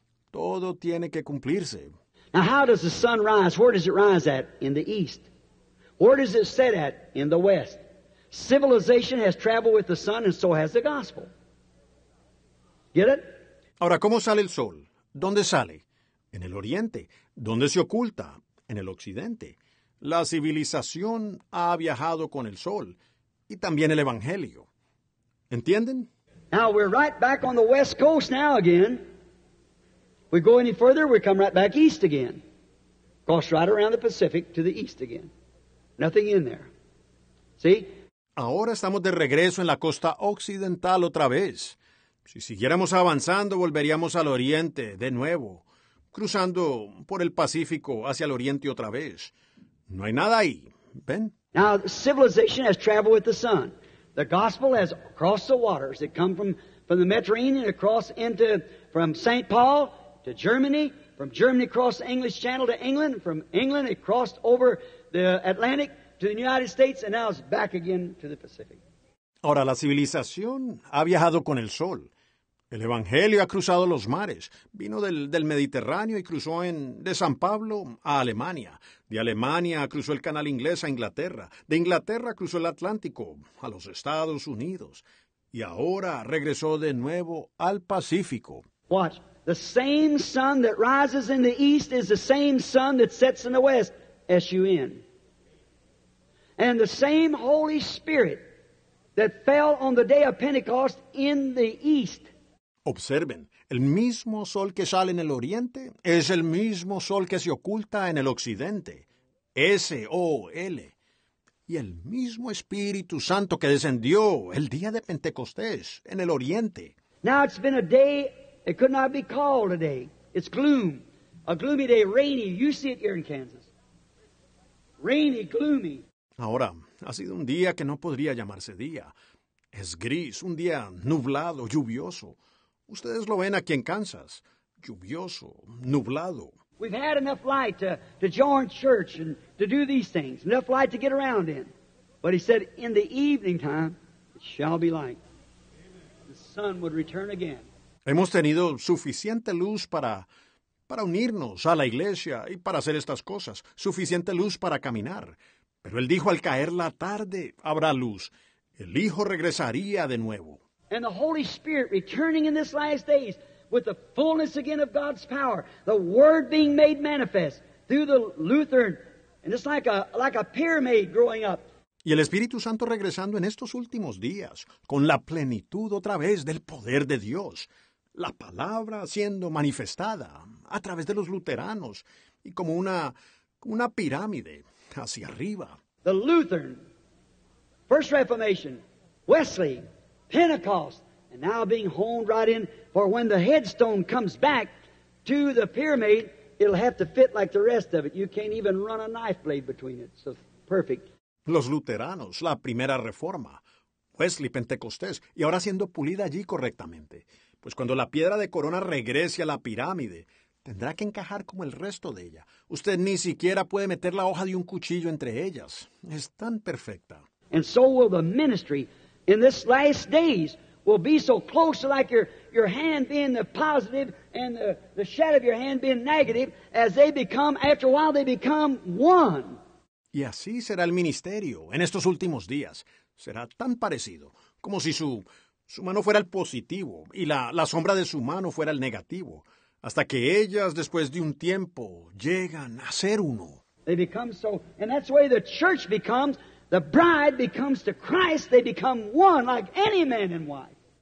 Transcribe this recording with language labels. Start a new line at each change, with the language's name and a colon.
Spanish: Todo tiene que cumplirse.
English: Now, how does the sun rise? Where does it rise at? In the east. Where does it set at? In the west. Civilization has traveled with the sun, and so has the gospel. Get it?
Spanish: Ahora, ¿cómo sale el sol? ¿Dónde sale? En el oriente. ¿Dónde se oculta? En el occidente. La civilización ha viajado con el sol y también el evangelio. ¿Entienden?
English: Now we're right back on the west coast now again. We go any further, we come right back east again. Cross right around the Pacific to the east again. Nothing in there. See?
Spanish: Ahora estamos de regreso en la costa occidental otra vez. Si siguiéramos avanzando, volveríamos al oriente de nuevo, cruzando por el Pacífico hacia el oriente otra vez. No hay nada ahí. ¿Ven?
English: Now, civilization has traveled with the sun. The gospel has crossed the waters. It come from the Mediterranean across into from St. Paul to Germany, from Germany across the English Channel to England, from England it crossed over the Atlantic to the United States, and now it's back again to the Pacific.
Spanish: Ahora, la civilización ha viajado con el sol. El Evangelio ha cruzado los mares, vino del Mediterráneo y cruzó de San Pablo a Alemania. De Alemania cruzó el canal inglés a Inglaterra. De Inglaterra cruzó el Atlántico a los Estados Unidos. Y ahora regresó de nuevo al Pacífico.
English: Watch. The same sun that rises in the east is the same sun that sets in the west. S-U-N. And the same Holy Spirit that fell on the day of Pentecost in the east.
Spanish: Observen, el mismo sol que sale en el oriente es el mismo sol que se oculta en el occidente. S-O-L. Y el mismo Espíritu Santo que descendió el día de Pentecostés en el oriente.
English: Now it's been a day it could not be called a day. It's gloom. A gloomy day, rainy. You see it here in Kansas. Rainy, gloomy.
Spanish: Ahora, ha sido un día que no podría llamarse día. Es gris, un día nublado, lluvioso. Ustedes lo ven aquí en Kansas. Lluvioso, nublado.
English: We've had enough light to join church and to do these things. Enough light to get around in. But he said, in the evening time, it shall be light. The sun would return again.
Spanish: Hemos tenido suficiente luz para unirnos a la iglesia y para hacer estas cosas. Suficiente luz para caminar. Pero él dijo, al caer la tarde, habrá luz. El Hijo regresaría de nuevo.
English: And the Holy Spirit returning in this last days with the fullness again of God's power, the Word being made manifest through the Lutheran, and it's like a pyramid growing up.
Spanish: Y el Espíritu Santo regresando en estos últimos días con la plenitud otra vez del poder de Dios, la palabra siendo manifestada a través de los luteranos y como una pirámide hacia arriba.
English: The Lutheran, First Reformation, Wesley, Pentecost, and now being honed right in, for when the headstone comes back to the pyramid, it'll have to fit like the rest of it. You can't even run a knife blade between it. So perfect.
Spanish: Los luteranos, la primera reforma, Wesley, Pentecostés, y ahora siendo pulida allí correctamente. Pues cuando la piedra de corona regrese a la pirámide, tendrá que encajar como el resto de ella. Usted ni siquiera puede meter la hoja de un cuchillo entre ellas. Es tan perfecta.
English: And so will the ministry in this last days will be so close like your hand being the positive and the shadow of your hand being negative as they become, after a while, they become one.
Spanish: Y así será el ministerio en estos últimos días. Será tan parecido como si su mano fuera el positivo y la sombra de su mano fuera el negativo hasta que ellas, después de un tiempo, llegan a ser uno.
English: They become so, and that's the way the church becomes. The bride becomes to Christ. They become one like any man and wife.